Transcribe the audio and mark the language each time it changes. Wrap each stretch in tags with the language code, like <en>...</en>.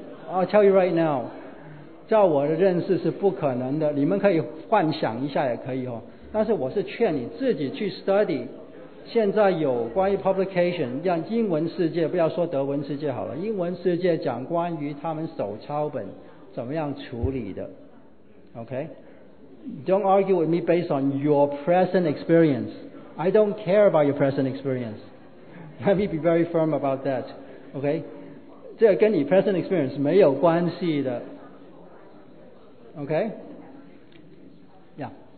<en>I'll tell you right now，</en> <zh>照我的认识是不可能的。你们可以幻想一下也可以哦，但是我是劝你自己去 study。现在有关于 publication， 让英文世界，不要说德文世界好了，英文世界讲关于他们手抄本怎么样处理的 ，OK。</zh> <en>Don't argue with me based on your present experience. I don't care about your present experience. Let me be very firm about that. Okay?</en> <zh>这跟你 present experience 没有关系的。</zh> <en>Okay? Yeah.</en>